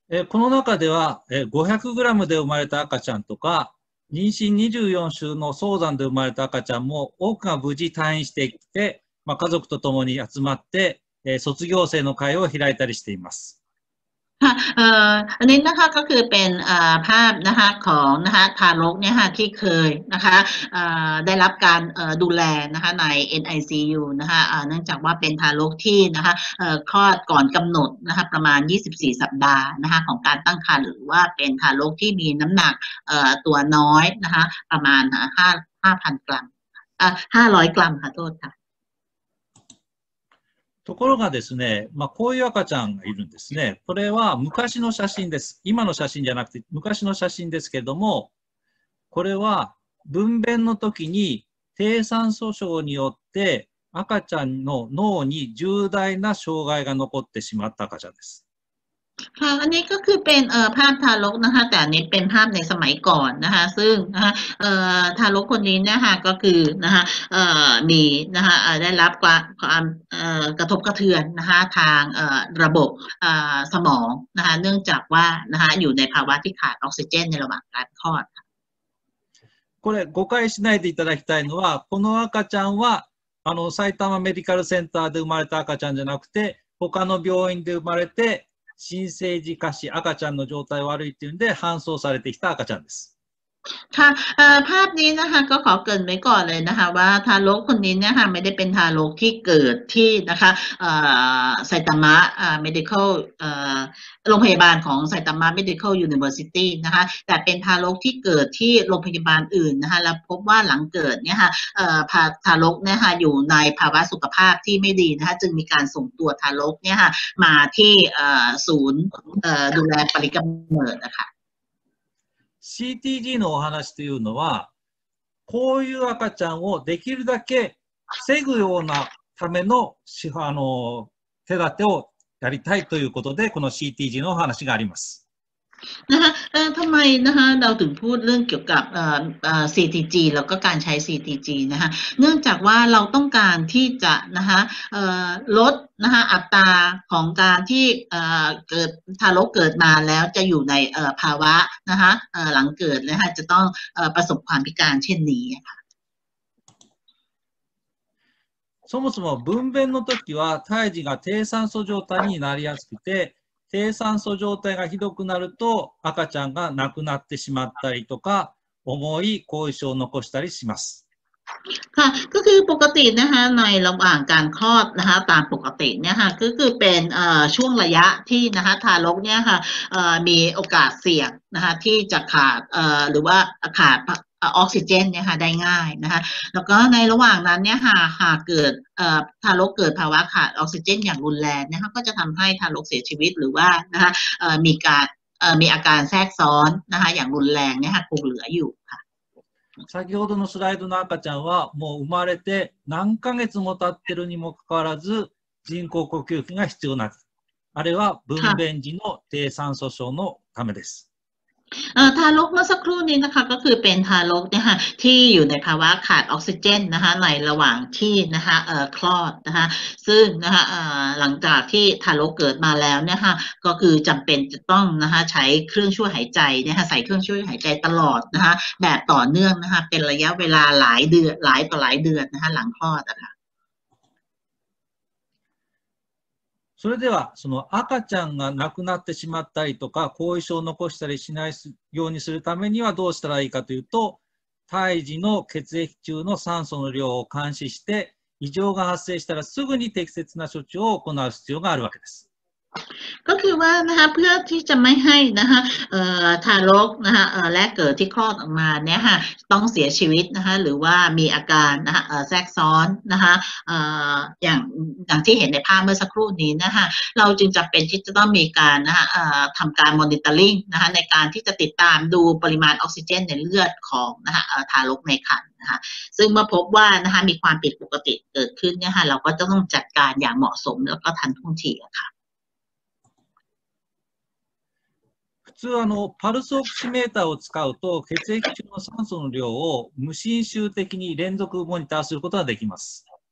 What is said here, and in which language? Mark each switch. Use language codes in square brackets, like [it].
[ja] この中では500グラムで生まれた赤ちゃんとか妊娠24週の早産で生まれた赤ちゃんも多くが無事退院してきて、まあ、家族と共に集まって卒業生の会を開いたりしています。 [th] อันนี้นะคะก็คือเป็นภาพนะคะของนะคะทารกเนี่ยค่ะที่เคยนะคะได้รับการดูแลนะคะใน NICU นะคะเนื่องจากว่าเป็นทารกที่นะคะคลอดก่อนกำหนดนะคะประมาณ24สัปดาห์นะคะของการตั้งครรภ์หรือว่าเป็นทารกที่มีน้ำหนักตัวน้อยนะคะประมาณ5,000กรัม500กรัมค่ะโทษค่ะ [ja] ところがですね、まあ、こういう赤ちゃんがいるんですね。これは昔の写真です。今の写真じゃなくて昔の写真ですけれども、これは分娩の時に低酸素症によって赤ちゃんの脳に重大な障害が残ってしまった赤ちゃんです。 [th] ค่ะอันนี้ก็คือเป็นภาพทารกนะคะแต่อันนี้เป็นภาพในสมัยก่อนนะคะซึ่งนะคะทารกคนนี้นะคะก็คือนะคะมีนะคะได้รับความกระทบกระเทือนนะคะทางระบบสมองนะคะเนื่องจากว่านะคะอยู่ในภาวะที่ขาดออกซิเจนในระหว่างการคลอด [ja] これ誤解しないでいただきたいのはこの赤ちゃんはあの埼玉メディカルセンターで生まれた赤ちゃんじゃなくて他の病院で生まれて新生児下肢、赤ちゃんの状態悪いっていうんで搬送されてきた赤ちゃんです。 [th] ค่ะภาพนี้นะคะก็ขอเกริ่นไว้ก่อนเลยนะคะว่าทารกคนนี้นะคะไม่ได้เป็นทารกที่เกิดที่นะคะไซตามะmedical โรงพยาบาลของไซตามะ medical university นะคะแต่เป็นทารกที่เกิดที่โรงพยาบาลอื่นนะคะแล้วพบว่าหลังเกิดเนี่ยค่ะทารกเนี่ยค่ะอยู่ในภาวะสุขภาพที่ไม่ดีนะคะจึงมีการส่งตัวทารกเนี่ยค่ะมาที่ศูนย์ดูแลปริกำเนิดนะคะ [ja] CTG のお話というのは、こういう赤ちゃんをできるだけ防ぐようなため の, あの手立てをやりたいということで、この CTG のお話があります。 [th] ทำไมนะคะเราถึงพูดเรื่องเกี่ยวกับCTG แล้วก็การใช้ CTG นะคะเนื่องจากว่าเราต้องการที่จะนะคะลดนะคะอัตราของการที่เกิดทารกเกิดมาแล้วจะอยู่ในภาวะนะคะหลังเกิดนะคะจะต้องประสบความพิการเช่นนี้ค่ะ [ja] そもそも分娩の時は胎児が低酸素状態になりやすくて低酸素状態がひどくなると赤ちゃんが亡くなってしまったりとか重い後遺症を残したりします。 [th] ค่ะก็คือปกตินะคะในระหว่างการคลอดนะคะตามปกติเนี่ยค่ะคือเป็นช่วงระยะที่นะคะทารกเนี่ยค่ะมีโอกาสเสี่ยงนะคะที่จะขาดหรือว่าขาดออกซิเจนเนี่ยค่ะได้ง่ายนะคะแล้วก็ในระหว่างนั้นเนี่ยค่ะหากเกิดทารกเกิดภาวะขาดออกซิเจนอย่างรุนแรงนะคะก็จะทำให้ทารกเสียชีวิตหรือว่านะคะมีอาการแทรกซ้อนนะคะอย่างรุนแรงเนี่ยค่ะคงเหลืออยู่ค่ะ [ja] 先ほどのスライドの赤ちゃんはもう生まれて何ヶ月も経ってるにもかかわらず人工呼吸器が必要なく、あれは分娩時の低酸素症のためです。 [th] ทารกเมื่อสักครู่นี้นะคะก็คือเป็นทารกเนี่ยค่ะที่อยู่ในภาวะขาดออกซิเจนนะคะในระหว่างที่นะคะคลอดนะคะซึ่งนะคะหลังจากที่ทารกเกิดมาแล้วเนี่ยค่ะก็คือจำเป็นจะต้องนะคะใช้เครื่องช่วยหายใจเนี่ยค่ะใส่เครื่องช่วยหายใจตลอดนะคะแบบต่อเนื่องนะคะเป็นระยะเวลาหลายเดือนหลายต่อหลายเดือนนะคะหลังคลอดนะคะ [ja] それではその赤ちゃんが亡くなってしまったりとか後遺症を残したりしないようにするためにはどうしたらいいかというと胎児の血液中の酸素の量を監視して異常が発生したらすぐに適切な処置を行う必要があるわけです。 [th] ก็คือว่านะคะเพื่อที่จะไม่ให้นะคะทารกนะคะและเกิดที่คลอดออกมาเนี่ยค่ะต้องเสียชีวิตนะคะหรือว่ามีอาการนะคะแทรกซ้อนนะคะอย่างที่เห็นในภาพเมื่อสักครู่นี้นะคะเราจึงจำเป็นที่จะต้องมีการนะคะทำการมอนิเตอร์ลิงนะคะในการที่จะติดตามดูปริมาณออกซิเจนในเลือดของนะคะทารกในครรภ์นะคะซึ่งเมื่อพบว่านะคะมีความผิดปกติเกิดขึ้นเนี่ยค่ะเราก็จะต้องจัดการอย่างเหมาะสมแล้วก็ทันท่วงทีค่ะ [ja] 普通あのパルスオキシメーターを使うと血液中の酸素の量を無侵襲的に連続モニターすることができます。